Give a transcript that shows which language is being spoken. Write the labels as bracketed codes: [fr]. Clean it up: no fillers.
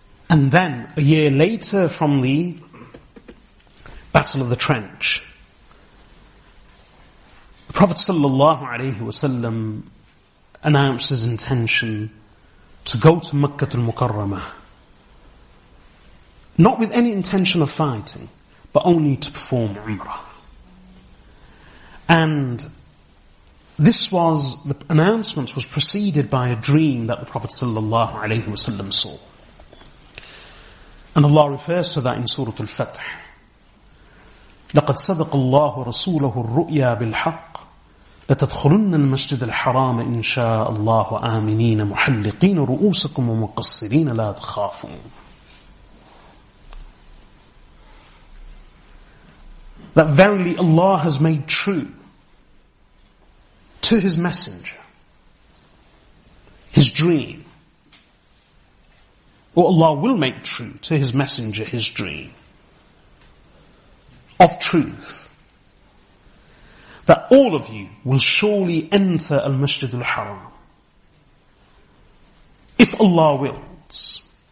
[en] And then, a year later from the Battle of the Trench, the Prophet sallallahu alayhi wa sallam announced his intention to go to Makkah al-Mukarramah, not with any intention of fighting, but only to perform Umrah. And this was, the announcement was preceded by a dream that the Prophet sallallahu alayhi wa sallam saw. And Allah refers to that in Surah Al-Fath. [ar] لقد صدق الله رسوله الرؤيا بالحق لتدخلن المسجد الحرام إن شاء الله آمنين محلقين رؤوسكم ومقصرين لا تخافون. [en] That verily Allah has made true to His Messenger His dream, or Allah will make true to His Messenger His dream of truth, that all of you will surely enter Al-Masjid Al-Haram, if Allah wills.